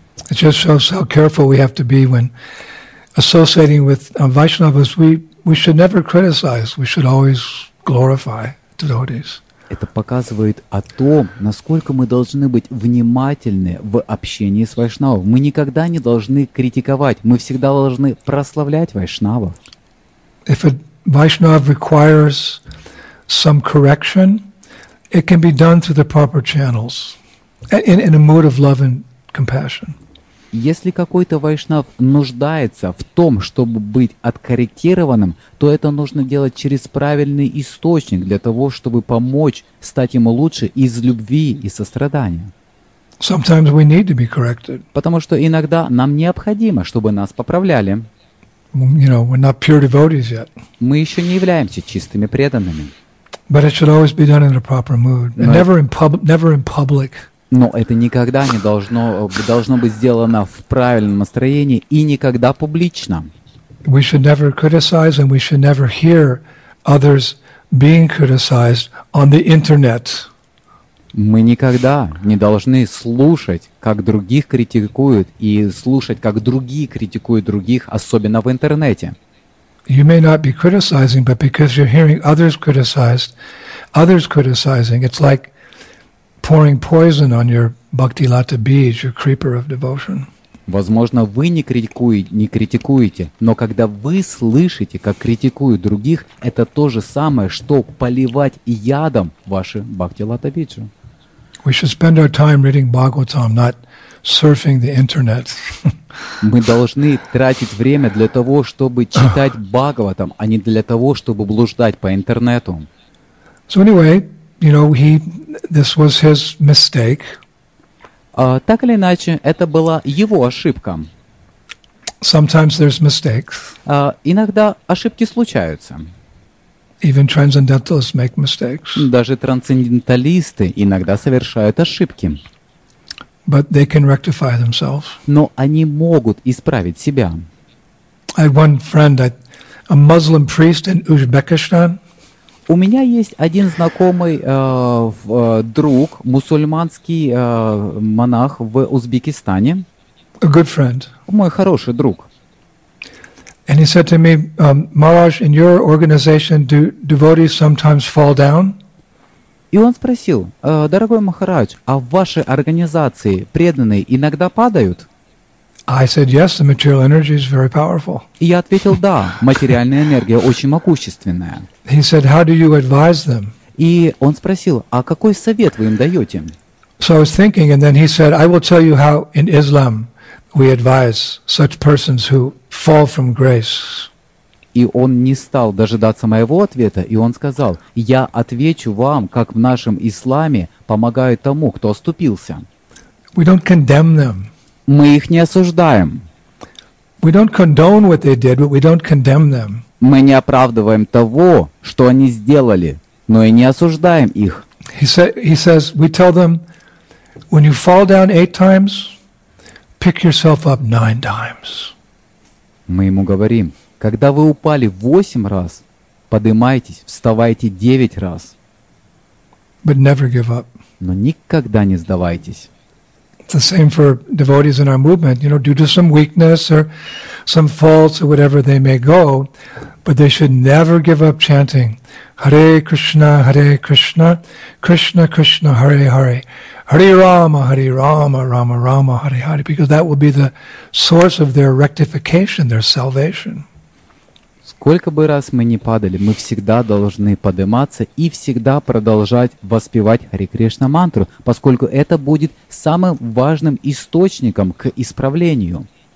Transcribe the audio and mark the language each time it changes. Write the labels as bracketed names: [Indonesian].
[English] It just shows how careful we have to be when associating with Vaishnavas. We should never criticize, we should always glorify devotees. [Russian] Это показывает о том, насколько мы должны быть внимательны в общении с вайшнавом. Мы никогда не должны критиковать, мы всегда должны прославлять вайшнава. [English] If a vaishnava requires some correction, it can be done through the proper channels, in a mood of love and compassion. [Russian] Если какой-то вайшнав нуждается в том, чтобы быть откорректированным, то это нужно делать через правильный источник для того, чтобы помочь стать ему лучше из любви и сострадания. [English] Sometimes we need to be corrected. [Russian] Потому что иногда нам необходимо, чтобы нас поправляли. [English] You know, we're not pure devotees yet. [Russian] Мы еще не являемся чистыми преданными. [English] But it should always be done in a proper mood, and never in public. [Russian] Но это никогда не должно, должно быть сделано в правильном настроении и никогда публично. [English] We should never criticize, and we should never hear others being criticized on the internet. [Russian] Мы никогда не должны слушать, как других критикуют, и слушать, как другие критикуют других, особенно в интернете. [English] You may not be criticizing, but because you're hearing others criticizing, it's like pouring poison on your bhakti lata bees, your creeper of devotion. [Russian] Возможно, вы не критикуете, но когда вы слышите, как критикуют других, это то же самое, что поливать ядом ваши бхакти лата биджи. [English] We should spend our time reading Bhagavatam, not surfing the internet. [Russian] Мы должны тратить время для того, чтобы читать Бхагаватам, а не для того, чтобы блуждать по интернету. [English] So anyway, you know, this was his mistake. [Russian] Так или иначе, это была его ошибка. [English] Sometimes there's mistakes. [Russian] Иногда ошибки случаются. [English] Even transcendentalists make mistakes. [Russian] Даже трансценденталисты иногда совершают ошибки. [English] But they can rectify themselves. [Russian] Но они могут исправить себя. [English] I had one friend, a Muslim priest in Uzbekistan. [Russian] У меня есть один знакомый друг, мусульманский монах в Узбекистане. [English] A good friend. [Russian] Мой хороший друг. [English] And he said to me, Maharaj, in your organization, do devotees sometimes fall down? [Russian] И он спросил, дорогой Махарадж, а в вашей организации преданные иногда падают? [English] I said, yes, the material energy is very powerful. [Russian] И я ответил, да, материальная энергия очень могущественная. [English] He said, how do you advise them? [Russian] И он спросил, а какой совет вы им даете? [English] So I was thinking, and then he said, I will tell you how in Islam we advise such persons who fall from grace. [Russian] И он не стал дожидаться моего ответа, и он сказал, я отвечу вам, как в нашем исламе помогают тому, кто оступился. [English] We don't condemn them. [Russian] Мы их не осуждаем. [English] We don't condone what they did, but we don't condemn them. [Russian] Мы не оправдываем того, что они сделали, но и не осуждаем их. [English] He says, we tell them, when you fall down 8 times, pick yourself up 9 times. [Russian] Мы ему говорим, когда вы упали 8 раз, поднимайтесь, вставайте 9 раз. [English] But never give up. [Russian] Но никогда не сдавайтесь. [English] It's the same for devotees in our movement. You know, due to some weakness or some faults or whatever, they may go, but they should never give up chanting Hare Krishna, Hare Krishna, Krishna Krishna, Hare Hare, Hare Rama, Rama Rama, Hare Hare, because that will be the source of their rectification, their salvation. [Russian] Сколько бы раз мы ни падали, мы всегда должны подниматься и всегда продолжать воспевать Хари Кришна мантру, поскольку это будет самым важным источником к исправлению.